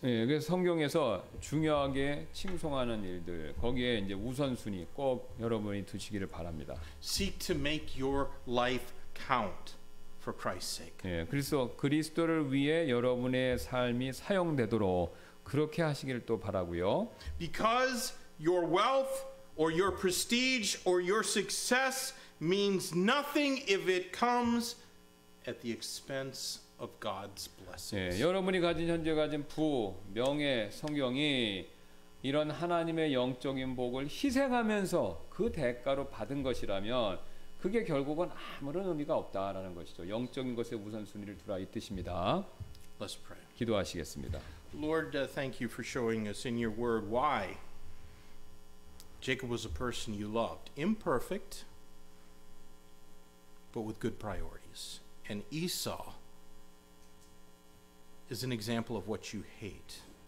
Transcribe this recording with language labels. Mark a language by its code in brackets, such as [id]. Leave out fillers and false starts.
[ko] 예, 그 성경에서 중요하게 칭송하는 일들 거기에 이제 우선순위 꼭 여러분이 두시기를 바랍니다. [en] Seek to make your life count for Christ's sake. [ko] 예, 그리스도를 위해 여러분의 삶이 사용되도록 그렇게 하시기를 또 바라고요. [en] Because your wealth or your prestige or your success means nothing if it comes at the expense of God's blessings. [ko] 예, 여러분이 가진 현재 가진 부, 명예, 성경이 이런 하나님의 영적인 복을 희생하면서 그 대가로 받은 것이라면 그게 결국은 아무런 의미가 없다라는 것이죠. 영적인 것에 우선순위를 두라 이 뜻입니다. [en] Let's pray. [ko] 기도하시겠습니다. [en] Lord, thank you for showing us in your word why Jacob was a person you loved, imperfect but with good priorities. And Esau is an example of what you hate.